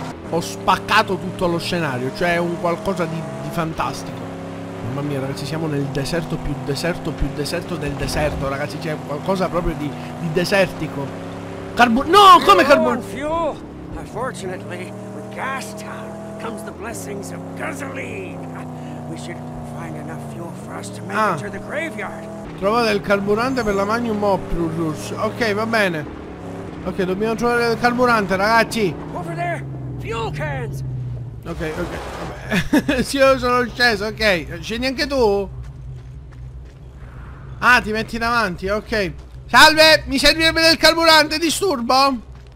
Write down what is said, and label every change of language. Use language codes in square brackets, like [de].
[it] Ho spaccato tutto lo scenario. Cioè, è un qualcosa di fantastico. Mamma mia, ragazzi, siamo nel deserto più deserto più deserto del deserto, ragazzi. C'è qualcosa proprio di desertico. No, come carbone? [en] Fortunately, with Gas Town comes the blessings of gasoline. We should find enough fuel for us to make it to the graveyard. [it] Trova del carburante per la Magnum Opus. Ok, va bene. Ok, dobbiamo trovare del carburante, ragazzi. [en] Over there, fuel cans. [it] Ok, ok. Sì, io sono sceso, ok. Scendi anche tu? Ah, ti metti davanti, ok. Salve, mi servirebbe del carburante, disturbo?